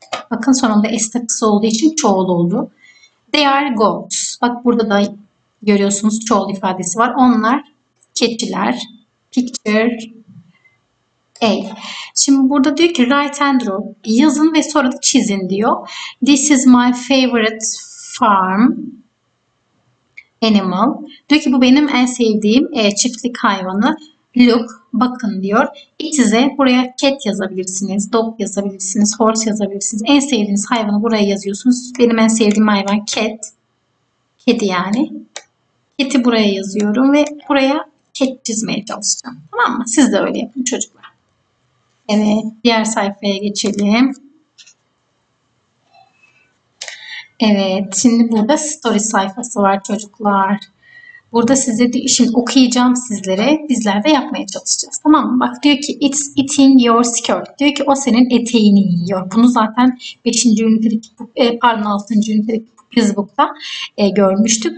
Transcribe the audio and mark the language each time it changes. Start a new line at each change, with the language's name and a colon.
Turkish: Bakın, sonunda S takısı olduğu için çoğul oldu.
English: They are goats.
Turkish: Bak, burada da görüyorsunuz çoğul ifadesi var. Onlar keçiler.
English: Picture A.
Turkish: Şimdi burada diyor ki
English: write and draw.
Turkish: Yazın ve sonra da çizin diyor.
English: This is my favorite farm animal.
Turkish: Diyor ki bu benim en sevdiğim çiftlik hayvanı.
English: Look,
Turkish: bakın diyor.
English: It is a,
Turkish: buraya cat yazabilirsiniz, dog yazabilirsiniz, horse yazabilirsiniz. En sevdiğiniz hayvanı buraya yazıyorsunuz. Benim en sevdiğim hayvan cat. Kedi yani. Cat'i buraya yazıyorum ve buraya cat çizmeye çalışacağım. Tamam mı? Siz de öyle yapın çocuklar. Evet. Diğer sayfaya geçelim. Evet. Şimdi burada story sayfası var çocuklar. Burada size de, şimdi okuyacağım sizlere. Bizler de yapmaya çalışacağız. Tamam mı? Bak diyor ki
English: it's eating your skirt.
Turkish: Diyor ki o senin eteğini yiyor. Bunu zaten 5. ünitedeki, pardon 6. ünitedeki quizbook'ta görmüştük.